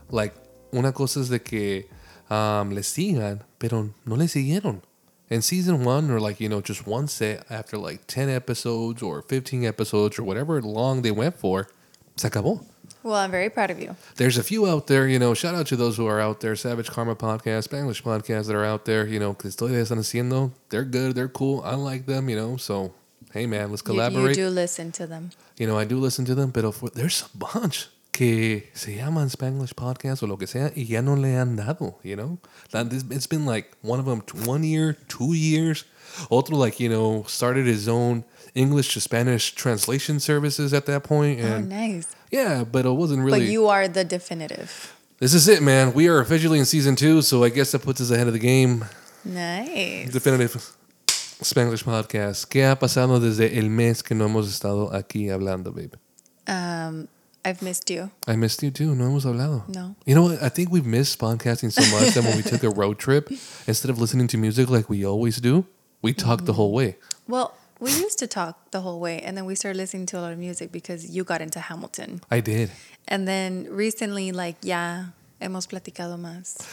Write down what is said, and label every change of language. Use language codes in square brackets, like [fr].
[es] Like, una cosa es de que le sigan, pero no le siguieron. [en] In season one, or like, you know, just one set after like 10 episodes or 15 episodes or whatever long they went for, [es] se acabó. [en] Well, I'm very proud of you. There's a few out there, you know. Shout out to those who are out there. Savage Karma Podcast, Spanglish Podcast that are out there. You know, [es] que todavía están haciendo. [en] They're good. They're cool. I like them, you know. So, hey, man, let's collaborate. You do listen to them. You know, I do listen to them. [es] Pero [en] there's a bunch [es] que se llaman Spanglish Podcast o lo que sea y ya no le han dado, you know. [en] It's been like one of them 1 year, 2 years. Otro, like, you know, started his own English to Spanish translation services at that point. And oh, nice. Yeah, but it wasn't really... But you are the definitive. This is it, man. We are officially in season two, so I guess that puts us ahead of the game. Nice. Definitive Spanglish podcast. [es] ¿Qué ha pasado desde el mes que no hemos estado aquí hablando, babe? [en] I've missed you. I missed you too. [es] No hemos hablado. [en] No. You know what? I think we've missed podcasting so much that when we took a road trip, instead of listening to music like we always do, we talked the whole way. Well... We used to talk the whole way, and then we started listening to a lot of music because you got into Hamilton. I did. And then recently, like, yeah, [es] hemos platicado más.